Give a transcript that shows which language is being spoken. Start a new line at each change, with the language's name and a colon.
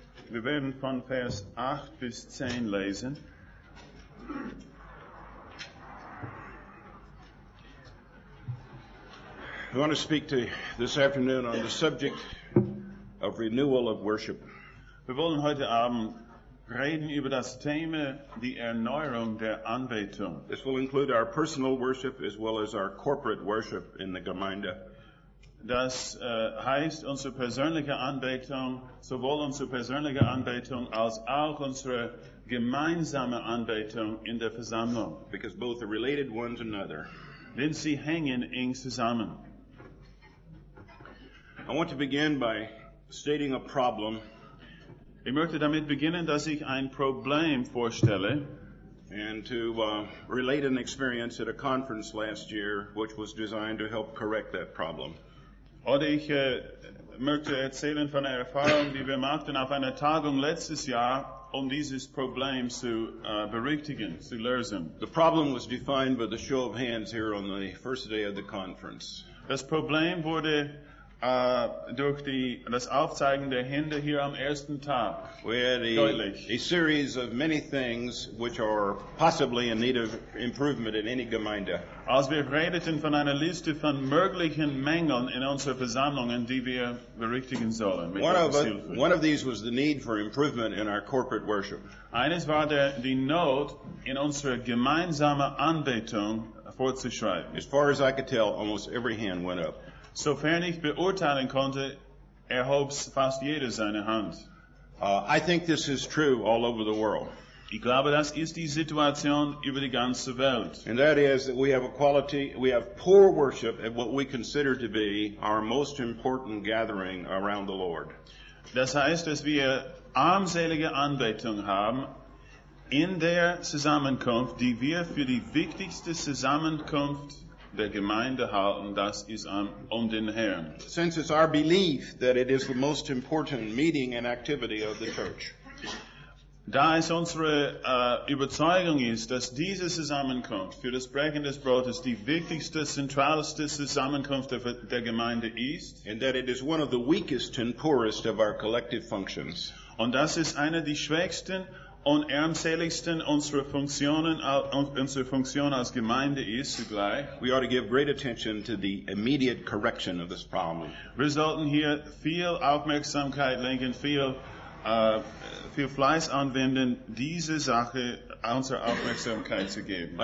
German: Wir werden von Vers 8 bis 10 lesen.
English: I want to speak to this afternoon on the subject of renewal of worship.
German: Wir wollen heute Abend reden über das Thema die Erneuerung der Anbetung.
English: This will include our personal worship as well as our corporate worship in the Gemeinde.
German: Das heißt unsere persönliche Anbetung, sowohl unsere persönliche Anbetung als auch unsere gemeinsame Anbetung in der Versammlung.
English: Because both are related one to another.
German: Denn sie hängen eng zusammen.
English: I want to begin by stating a problem.
German: Ich möchte damit beginnen, dass ich ein Problem vorstelle.
English: And to relate an experience at a conference last year, which was designed to help correct that problem.
German: Oder ich möchte erzählen von einer Erfahrung, die wir machten auf einer Tagung letztes Jahr, um dieses Problem zu berichtigen, zu lösen.
English: The problem was defined by the show of hands here on the first day of the conference.
German: Das Problem wurde durch das Aufzeigen der Hände hier am ersten Tag.
English: We had a series of many things which are possibly in need of improvement in any Gemeinde.
German: Als wir redeten von einer Liste von möglichen Mängeln in unserer Versammlungen, die wir berichtigen sollen.
English: One of these was the need for improvement in our corporate worship.
German: Eines war die Not in unserer gemeinsamen Anbetung vorzuschreiben.
English: As far as I could tell, almost every hand went up.
German: Sofern ich beurteilen konnte, erhob fast jeder seine Hand.
English: I think this is true all over the world.
German: Ich glaube, das ist die Situation über die ganze Welt.
English: And that is that we have poor worship at what we consider to be our most important gathering around the Lord.
German: Das heißt, dass wir armselige Anbetung haben in der Zusammenkunft, die wir für die wichtigste Zusammenkunft der Gemeinde halten, das ist um den Herrn.
English: Since it's our belief that it is the most important meeting and activity of the church.
German: Da es unsere Überzeugung ist, dass diese Zusammenkunft für das Brechen des Brotes die wichtigste, zentralste Zusammenkunft der Gemeinde ist.
English: And that it is one of the weakest and poorest of our collective functions.
German: Und das ist eine der schwächsten und ärmseligsten unsere Funktion als Gemeinde ist zugleich.
English: We ought to give great attention to the immediate correction of this problem.
German: Wir sollten hier viel Aufmerksamkeit lenken, viel Fleiß anwenden, diese Sache unsere Aufmerksamkeit zu geben.